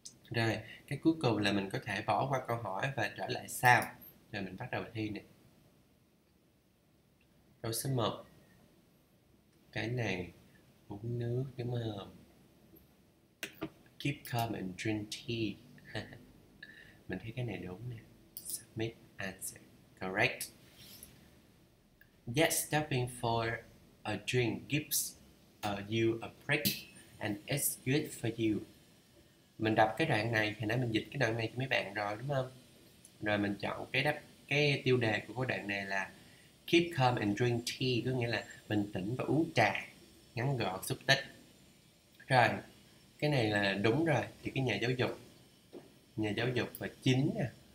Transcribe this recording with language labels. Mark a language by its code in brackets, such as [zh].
[vi] Rồi cái cuối cùng là mình có thể bỏ qua câu hỏi và trở lại sau. Rồi mình bắt đầu thi nè. Câu số 1, cái này uống nước đúng không, [en] keep calm and drink tea. [vi] Mình thấy cái này đúng nè. [en] Submit answer correct. Yet stopping for a drink gives you a break and it's good for you. [vi] Mình đọc cái đoạn này, hồi nãy mình dịch cái đoạn này cho mấy bạn rồi đúng không? Rồi mình chọn cái tiêu đề của cái đoạn này là [en] keep calm and drink tea, [vi] có nghĩa là bình tĩnh và uống trà, ngắn gọn, xúc tích. Rồi, cái này là đúng rồi, thì cái nhà giáo dục và chính nè.